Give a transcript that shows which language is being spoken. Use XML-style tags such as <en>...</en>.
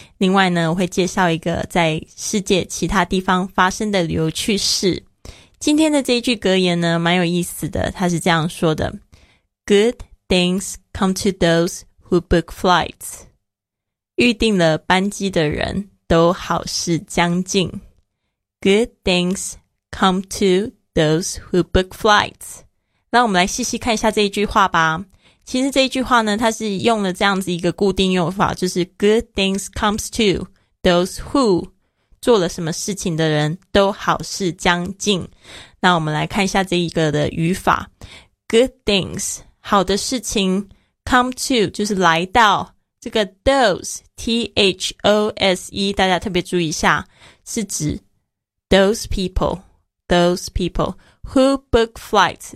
<zh>另外呢我会介绍一个在世界其他地方发生的旅游趣事。今天的这一句格言呢蛮有意思的，它是这样说的，</zh> <en>Good things come to those who book flights，</en> <zh>预定了班机的人都好事将近。</zh> <en>Good things come to those who book flights。</en> <zh>那我们来细细看一下这一句话吧。其实这一句话呢它是用了这样子一个固定用法，就是</zh> <en>Good things comes to those who，</en> <zh>做了什么事情的人都好事将近。那我们来看一下这一个的语法，</zh> <en>Good things</en> <zh>好的事情，</zh> <en>come to</en> <zh>就是来到，这个 those T-H-O-S-E 大家特别注意一下，是指</zh> <en>those people who book flights。</en>